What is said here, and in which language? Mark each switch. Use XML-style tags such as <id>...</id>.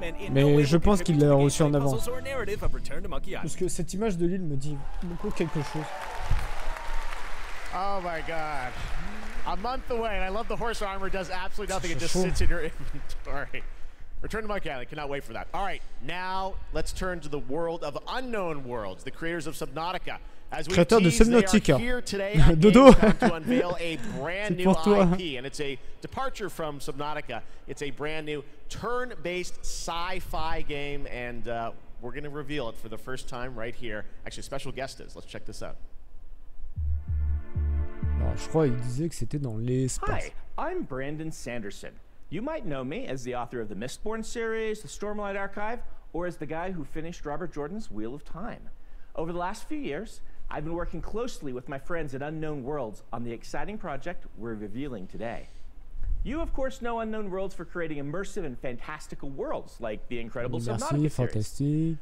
<fr>Mais je pense qu'il l'a reçu en avance. Parce que cette image de l'île me dit beaucoup quelque chose.</fr> <en>Oh my god. A month away, and I love the horse armor, does absolutely nothing. It just sits in your inventory. Return to Monkey Island, cannot wait for that. All right, now let's turn to the world of unknown worlds, the creators of Subnautica. As we tease, they are here today at Gamescom to unveil a brand new IP, and it's a departure from Subnautica. It's a brand new turn-based sci-fi game, and we're going to reveal it for the first time right here. Actually, special guest is. Let's check this out.</en> <fr>Alors, je crois qu'il disait que c'était dans l'espace.</fr> <en>Hi, I'm Brandon Sanderson. You might know me as the author of the Mistborn series, the Stormlight Archive, or as the guy who finished Robert Jordan's Wheel of Time. Over the last few years, I've been working closely with my friends at Unknown Worlds on the exciting project we're revealing today. You, of course, know Unknown Worlds for creating immersive and fantastical worlds like the incredible Subnautica series.</en>